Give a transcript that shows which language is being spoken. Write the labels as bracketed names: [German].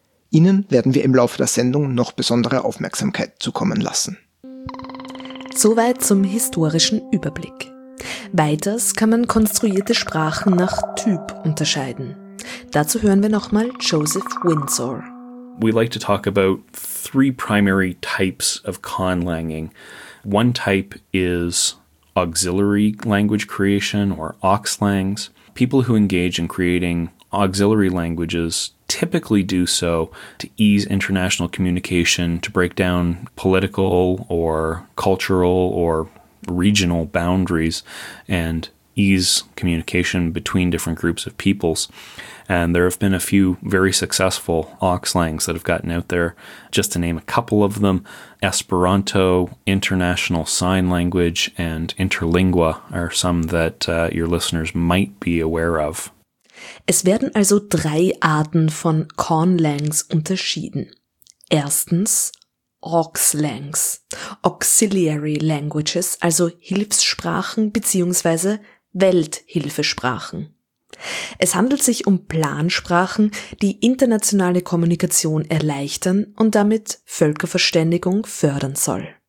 [German] Ihnen werden wir im Laufe der Sendung noch besondere Aufmerksamkeit zukommen lassen. Soweit zum historischen Überblick. Weiters kann man konstruierte Sprachen nach Typ unterscheiden. Dazu hören wir nochmal Joseph Windsor. [English] We like to talk about 3 primary types of conlanging. One type is auxiliary language creation or auxlangs. People who engage in creating auxiliary languages typically do so to ease international communication, to break down political or cultural or regional boundaries and ease communication between different groups of peoples. And there have been a few very successful auxlangs that have gotten out there. Just to name a couple of them, Esperanto, International Sign Language, and Interlingua are some that your listeners might be aware of. [German] Es werden also 3 Arten von Conlangs unterschieden. Erstens, Auxlangs, Auxiliary Languages, also Hilfssprachen bzw. Welthilfesprachen. Es handelt sich um Plansprachen, die internationale Kommunikation erleichtern und damit Völkerverständigung fördern soll.